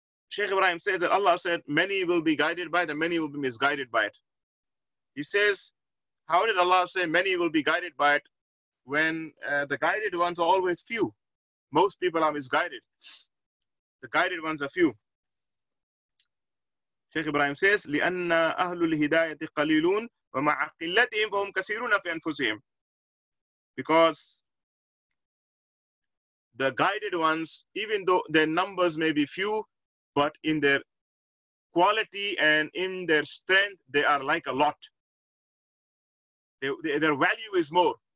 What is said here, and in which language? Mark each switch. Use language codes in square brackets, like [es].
[en] Shaykh Ibrahim says that Allah said, many will be guided by it and many will be misguided by it. He says, how did Allah say many will be guided by it when the guided ones are always few? Most people are misguided. The guided ones are few. Shaykh Ibrahim says, [ar] لِأَنَّ أَهْلُ الْهِدَايَةِ قَلِيلُونَ وَمَعْ قِلَّتِهِمْ فَهُمْ كَثِيرُونَ فِي أَنفُسِهِمْ. [en] Because the guided ones, even though their numbers may be few, but in their quality and in their strength, they are like a lot. Their value is more.